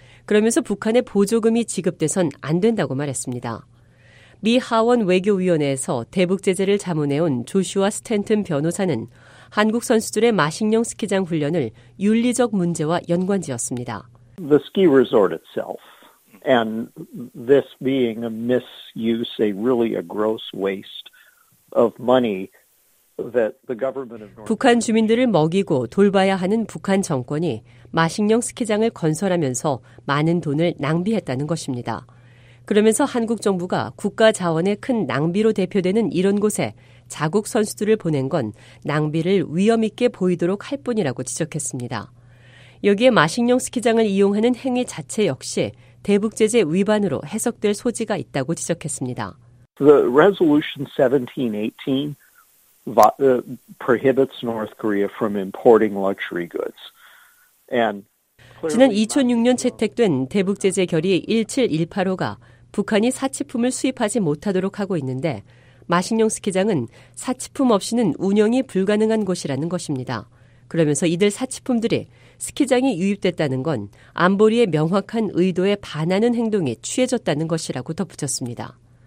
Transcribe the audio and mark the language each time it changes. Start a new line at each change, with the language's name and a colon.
Korean: 그러면서 북한의 보조금이 지급돼선 안 된다고 말했습니다. 미 하원 외교위원회에서 대북 제재를 자문해온 조슈아 스탠튼 변호사는 한국 선수들의 마식령 스키장 훈련을 윤리적 문제와 연관지었습니다.
English: The ski resort itself. And this being a misuse, a really a gross waste of money that the government of North.
Korean: 북한 주민들을 먹이고 돌봐야 하는 북한 정권이 마식령 스키장을 건설하면서 많은 돈을 낭비했다는 것입니다. 그러면서 한국 정부가 국가 자원의 큰 낭비로 대표되는 이런 곳에 자국 선수들을 보낸 건 낭비를 위험 있게 보이도록 할 뿐이라고 지적했습니다. 여기에 마식령 스키장을 이용하는 행위 자체 역시 대북 제재 위반으로 해석될 소지가 있다고 지적했습니다.
English: The resolution 1718 prohibits North Korea from importing luxury goods. And
Korean: 지난 2006년 채택된 대북 제재 결의 1718호가 북한이 사치품을 수입하지 못하도록 하고 있는데 마식령 스키장은 사치품 없이는 운영이 불가능한 곳이라는 것입니다. 그러면서 이들 사치품들이 스키장이 유입됐다는 건 안보리의 명확한 의도에 반하는 행동이 취해졌다는 것이라고 덧붙였습니다.